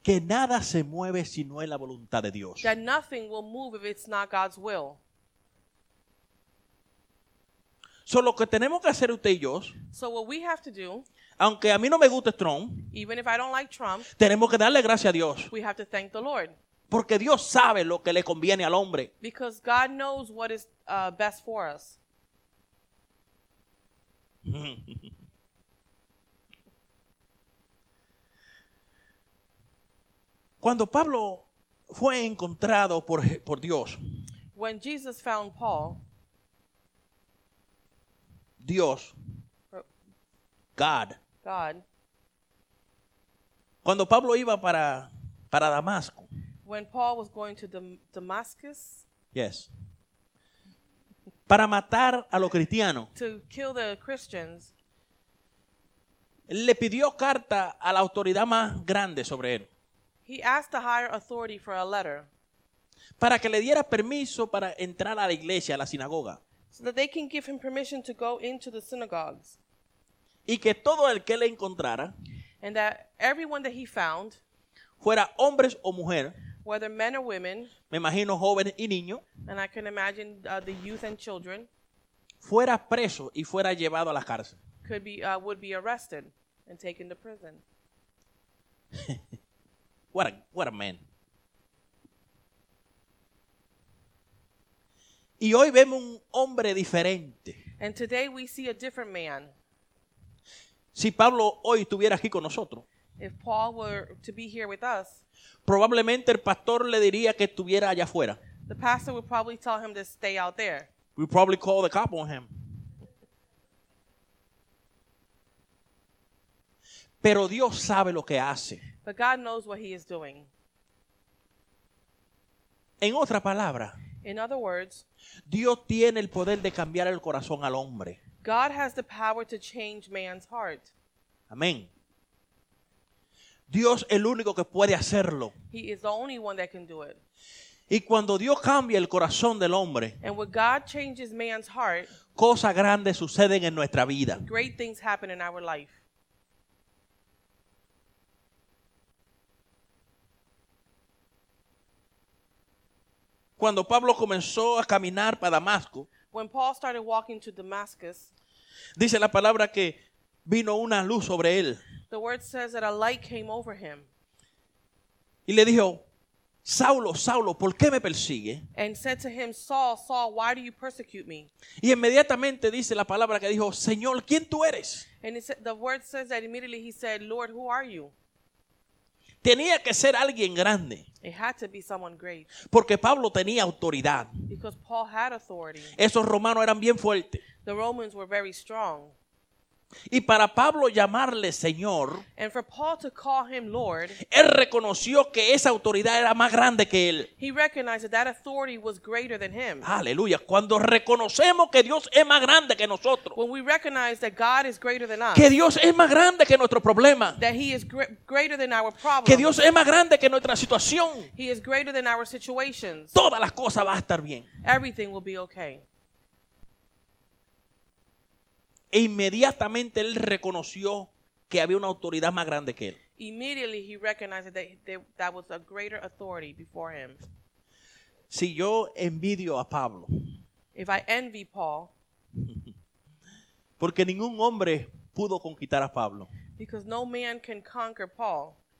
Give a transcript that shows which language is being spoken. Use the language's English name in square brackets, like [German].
[Spanish] Que nada se mueve si no es la voluntad de Dios. [English] That nothing will move if it's not God's will. [Spanish] So lo que tenemos que hacer usted y yo, [English] so what we have to do, [Spanish] aunque a mí no me guste Trump, [English] even if I don't like Trump, [Spanish] tenemos que darle gracias a Dios. [English] We have to thank the Lord. [Spanish] Porque Dios sabe lo que le conviene al hombre. [English] Because God knows what is best for us. [Spanish] Cuando Pablo fue encontrado por Dios, [English] when Jesus found Paul, [Spanish] Dios, [English] God, [Spanish] cuando Pablo iba para Damasco, [English] when Paul was going to Damascus, [Spanish] yes, para matar a los cristianos, [English] to kill the Christians, [Spanish] le pidió carta a la autoridad más grande sobre él. [English] He asked the higher authority for a letter, [Spanish] para que le diera permiso para entrar a la iglesia, a la sinagoga. [English] So that they can give him permission to go into the synagogues. [Spanish] Y que todo el que le encontrara, [English] and that everyone that he found, [Spanish] fuera hombres o mujer, [English] whether men or women, [Spanish] me imagino jóvenes y niños, [English] and I can imagine the youth and children, [Spanish] fuera preso y fuera llevado a la cárcel. [English] Could be, would be arrested and taken to prison. What a man. [Spanish] Y hoy vemos un hombre diferente. [English] And today we see a different man. [Spanish] Si Pablo hoy estuviera aquí con nosotros, [English] if Paul were to be here with us, [Spanish] probablemente el pastor le diría que estuviera allá afuera. [English] The pastor would probably tell him to stay out there. We'd probably call the cop on him. [Spanish] Pero Dios sabe lo que hace. [English] But God knows what he is doing. [Spanish] En otra palabra, [English] in other words, [Spanish] Dios tiene el poder de cambiar el corazón al hombre. [English] God has the power to change man's heart. [Spanish] Amén. Dios es el único que puede hacerlo. [English] He is the only one that can do it. [Spanish] Y cuando Dios cambia el corazón del hombre, [English] and when God changes man's heart, [Spanish] cosas grandes suceden en nuestra vida. [English] Great things happen in our life. [Spanish] Cuando Pablo comenzó a caminar para Damasco, [English] when Paul started walking to Damascus, [Spanish] dice la palabra que vino una luz sobre él. [English] The word says that a light came over him. [Spanish] Y le dijo, Saulo, Saulo, ¿por qué me persigue? [English] And said to him, Saul, Saul, why do you persecute me? [Spanish] Y inmediatamente dice la palabra que dijo, Señor, ¿quién tú eres? [English] And the word says that immediately he said, Lord, who are you? [Spanish] Tenía que ser alguien grande. [English] It had to be someone great. [Spanish] Porque Pablo tenía autoridad. [English] Because Paul had authority. [Spanish] Esos romanos eran bien fuertes. [English] The Romans were very strong. [Spanish] Y para Pablo llamarle Señor, [English] and for Paul to call him Lord, [Spanish] él reconoció que esa autoridad era más grande que él. [English] He recognized that authority was greater than him. [Spanish] Aleluya. Cuando reconocemos que Dios es más grande que nosotros, [English] when we recognize that God is greater than us, [Spanish] que Dios es más grande que nuestro problema, [English] that he is greater than our problem, [Spanish] que Dios es más grande que nuestra situación, [English] he is greater than our situations, [Spanish] todas las cosas van a estar bien. [English] Everything will be okay. [Spanish] E inmediatamente él reconoció que había una autoridad más grande que él. [English] Immediately he recognized that that was a greater authority before him. [Spanish] Si yo envidio a Pablo, [English] if I envy Paul, [Spanish] porque ningún hombre pudo conquistar a Pablo, [English] because no man can conquer Paul,